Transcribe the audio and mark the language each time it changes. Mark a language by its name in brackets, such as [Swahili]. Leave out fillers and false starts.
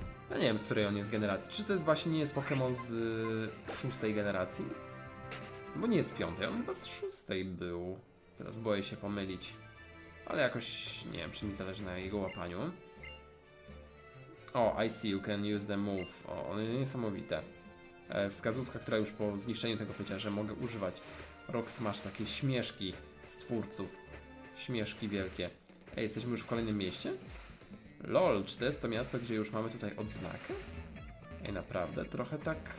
[Polish] No nie wiem, z której on jest generacji. Czy to jest właśnie nie jest Pokémon z szóstej generacji? Bo nie jest piątej, on chyba z szóstej był. Teraz boję się pomylić. Ale jakoś nie wiem, czy mi zależy na jego łapaniu. [English] O, I see, you can use the move. [Polish] O, one niesamowite. Wskazówka, która już po zniszczeniu tego powiedziała, że mogę używać. Rock Smash, takie śmieszki z twórców. Śmieszki wielkie. Ej, jesteśmy już w kolejnym mieście? Lol, czy to jest to miasto, gdzie już mamy tutaj odznakę? Ej, naprawdę, trochę tak...